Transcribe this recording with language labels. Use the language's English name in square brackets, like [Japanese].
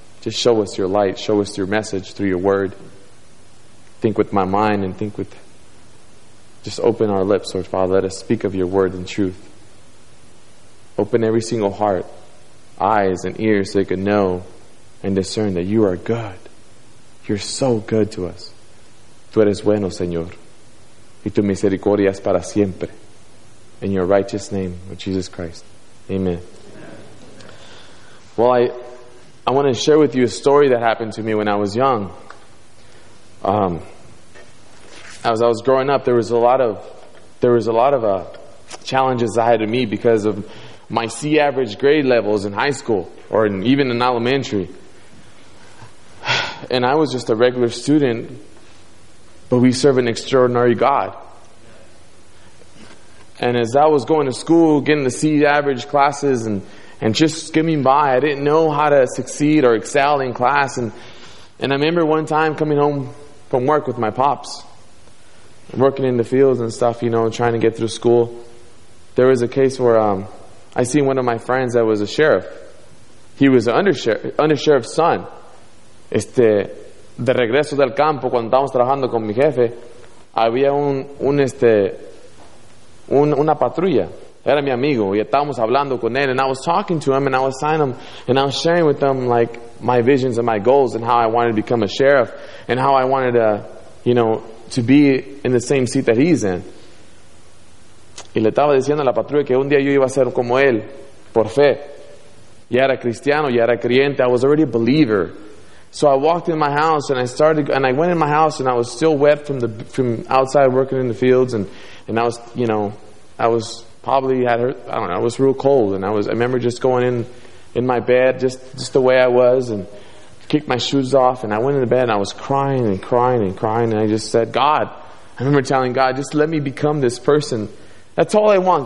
[English] Just show us your light, show us your message through your word. Think with my mind and think with, just open our lips, Lord Father. Let us speak of your word and truth. Open every single heart, eyes and ears so they can know and discern that you are good. You're so good to us. [Spanish] Tú eres bueno, Señor, y tu misericordia es para siempre. [English] In your righteous name, Lord Jesus Christ. Amen. Well, I want to share with you a story that happened to me when I was young. As I was growing up, there was a lot of challenges I had to meet because of my C average grade levels in high school or even in elementary. And I was just a regular student. But we serve an extraordinary God. And as I was going to school, getting the C average classes and just skimming by, I didn't know how to succeed or excel in class. And I remember one time coming home from work with my pops, working in the fields and stuff, you know, trying to get through school. There was a case where I seen one of my friends that was a sheriff. He was an under-sheriff's son. [Spanish] De regreso del campo, cuando estábamos trabajando con mi jefe, había una patrulla. Era mi amigo, y estábamos hablando con él. [English] And I was talking to him, and I was signing him, and I was sharing with him like my visions and my goals, and how I wanted to become a sheriff, and how I wanted to, you know, to be in the same seat that he's in. [Spanish] Y le estaba diciendo a la patrulla que un día yo iba a ser como él, por fe. Ya era cristiano, ya era creyente. [English] I was already a believer. So I walked in my house and I went in my house and I was still wet from outside working in the fields and I was, you know, I was probably had hurt, I don't know, I was real cold and I remember just going in my bed just the way I was and kicked my shoes off and I went in the bed and I was crying and crying and crying and I just said, God, I remember telling God, just let me become this person. That's all I want.